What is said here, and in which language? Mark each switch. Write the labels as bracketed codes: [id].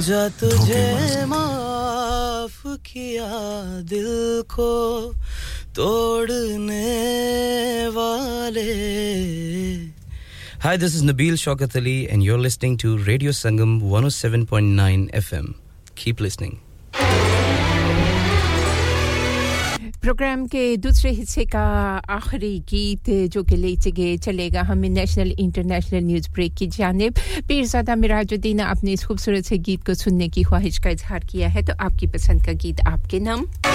[hi] जा तुझे माफ किया दिल को तोड़ने वाले [en] Hi, this is Nabeel Shaukat Ali and you're listening to Radio Sangam 107.9 FM. Keep listening. [hi] Programme के दूसरे हिस्से का आखिरी गीत जो कि लेते गए चलेगा हमें नेशनल इंटरनेशनल न्यूज़ ब्रेक की जानिब पीरज़ादा मिराजुद्दीन आपने इस खूबसूरत से गीत को सुनने की ख्वाहिश का इजहार किया है तो आपकी पसंद का गीत आपके नाम